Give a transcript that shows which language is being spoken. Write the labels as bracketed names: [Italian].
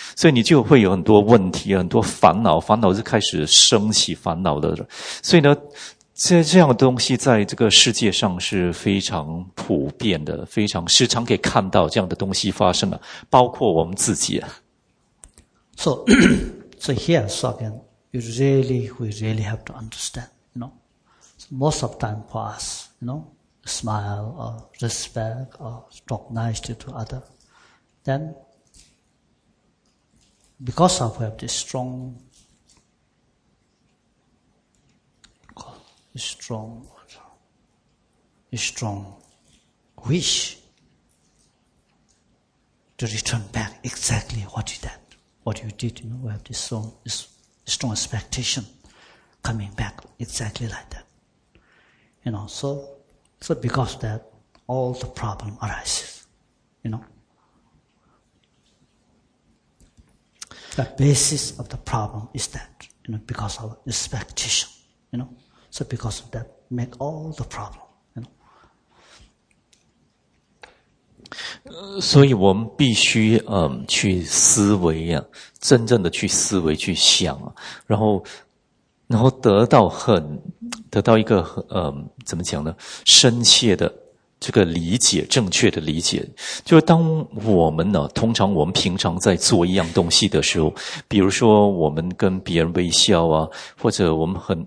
[Chinese] 所以你就会有很多问题，很多烦恼，烦恼就开始升起烦恼的。所以呢，这样的东西在这个世界上是非常普遍的，非常时常可以看到这样的东西发生了，包括我们自己。 [English] So here, so again, we really have to understand, you know,、so、most of time for us, you know, smile or respect or talk nicely to other, then because of we have this strong strong wish to return back exactly what you did. What you did, you know, we have this strong, strong expectation coming back exactly like that. You know, so because of that, all the problem arises, you know. The basis of the problem is that, you know, because of expectation, you know. So because of that, make all the problem, you know. [Chinese] 所以我们必须去思维啊，真正的去思维去想啊，然后得到一个怎么讲呢？深切的这个理解，正确的理解，就是当我们呢，通常我们平常在做一样东西的时候，比如说我们跟别人微笑啊，或者我们